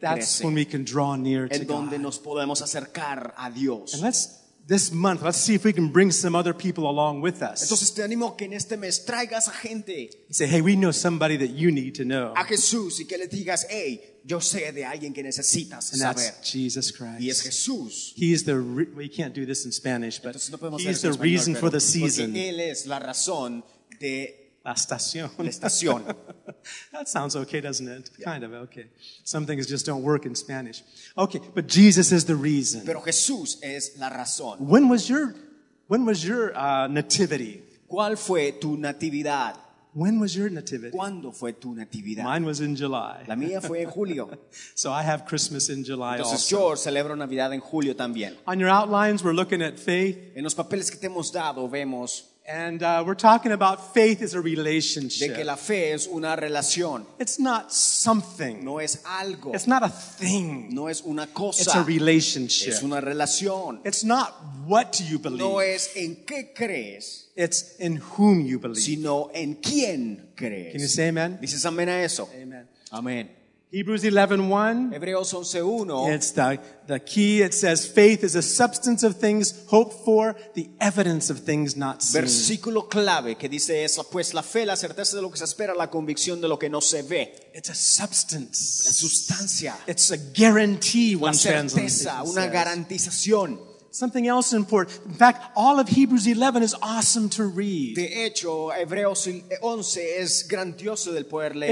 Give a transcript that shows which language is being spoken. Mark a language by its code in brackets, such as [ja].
[en] That's when we can draw near to God. [es] En donde nos podemos acercar a Dios. [en] And let's see if we can bring some other people along with us. [es] Entonces te animo que en este mes traigas a gente. [en] Say, hey, we know somebody that you need to know. [es] A Jesús y que le digas, hey. Yo sé de alguien que necesitas saber. [en] And that's Jesus Christ. [es] Y es Jesús. [en] He is the we can't do this in Spanish, but [es] no [en] he is the reason for the season. [es] Él es la razón de la estación. La estación. [en] That sounds okay, doesn't it? Yeah. Kind of okay. Some things just don't work in Spanish. Okay, but Jesus is the reason. [es] Pero Jesús es la razón. [en] When was your nativity? [es] ¿Cuál fue tu natividad? [en] When was your nativity? [es] ¿Cuándo fue tu natividad? [en] Mine was in July. [es] La mía fue en julio. [en] So I have Christmas in July. [es] Entonces, [en] also. [es] Yo celebro Navidad en julio también. [en] On your outlines, we're looking at faith. [es] En los papeles que te hemos dado, vemos. [en] And we're talking about faith as a relationship. [es] De que la fe es una relación. [en] It's not something. [es] No es algo. [en] It's not a thing. [es] No es una cosa. [en] It's a relationship. [es] Es una relación. [en] It's not what you believe. [es] No es en qué crees. [en] It's in whom you believe. [es] Sino en quién crees. [en] Can you say amen? [es] Dices amén a eso. [en] Amen. [es] Amen. [en] Hebrews 11:1. [es] Hebreos 11:1. [en] It's the key. It says, faith is a substance of things hoped for, the evidence of things not seen. [es] Versículo clave que dice eso. Pues la fe, la certeza de lo que se espera, la convicción de lo que no se ve. [en] It's a substance. [es] La sustancia. [en] It's a guarantee. One translation [es] says. La certeza, una garantización. [en] Something else important. In fact, all of Hebrews 11 is awesome to read. [es] De hecho, Hebreos 11 es grandioso del poder leerlo.